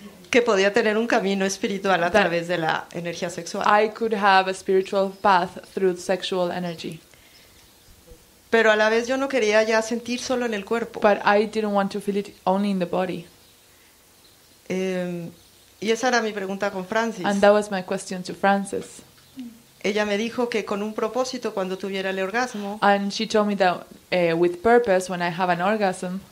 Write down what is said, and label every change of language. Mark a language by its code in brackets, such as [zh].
[es] Que podía tener un camino espiritual a través de la energía sexual. [en] I could have a spiritual path through sexual energy. [es] Pero a la vez yo no quería ya sentir solo en el cuerpo. [en] But I didn't want to feel it only in the body. [es] Y esa era mi pregunta con Francis. [en] And that was my question to Francis. [es] Ella me dijo que con un propósito cuando tuviera el orgasmo. [en] And she told me that with purpose when I have an orgasm.